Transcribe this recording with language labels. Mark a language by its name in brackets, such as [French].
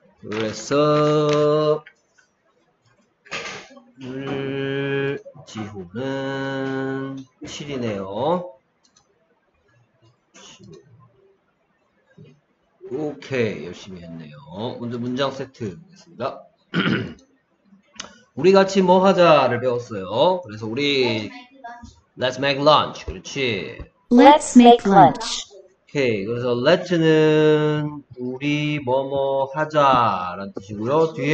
[Korean] 그래서 물 지호는 7이네요. 오케이, 열심히 했네요. 먼저 문장 세트 보겠습니다. 우리 같이 뭐 하자를 배웠어요. 그래서 우리 [English] Let's make lunch. [Korean] 그렇지. [English] Let's make lunch. [Korean] 오케이. 그래서 let는 우리 뭐뭐 하자라는 뜻이고요.